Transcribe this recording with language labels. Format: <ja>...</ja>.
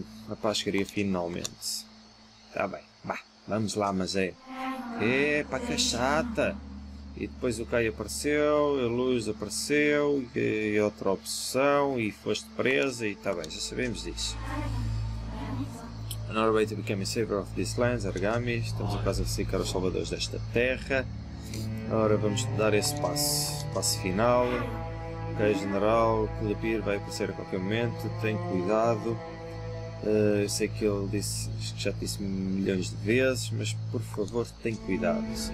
<pt>A paz chegaria finalmente. Tá bem, vá, vamos lá, mas é. Epa, que chata! E depois o Kai apareceu, a luz apareceu, e outra opção, e foste presa, e tá bem, já sabemos disso.</pt> <en>Another way to become a savior of these lands, Argami.</en> <pt>Estamos a quase a ficar os salvadores desta terra. Agora vamos dar esse passo final. Ok, general, Kulipir vai aparecer a qualquer momento, tem cuidado. Eu sei que ele já disse milhões de vezes, mas por favor, tem cuidado.</pt>